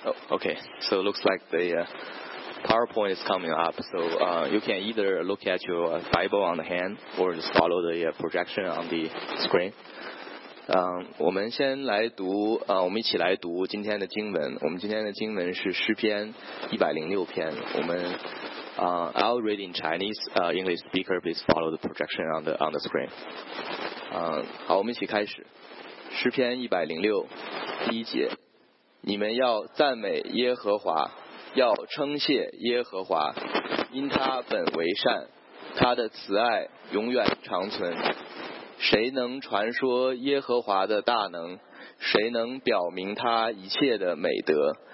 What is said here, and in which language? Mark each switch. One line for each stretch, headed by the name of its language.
English: Okay, so it looks like the PowerPoint is coming up. So you can either look at your Bible on the hand or just follow the projection on the screen.
Chinese: 我们先来读，我们一起来读今天的经文。我们今天的经文是诗篇106篇。
English: 我们I'll read in Chinese. English speaker, please follow the projection on the screen.
Chinese: 好，我们一起开始。诗篇106，第一节。你们要赞美耶和华，要称谢耶和华，因他本为善，他的慈爱永远长存。谁能传说耶和华的大能？谁能表明他一切的美德？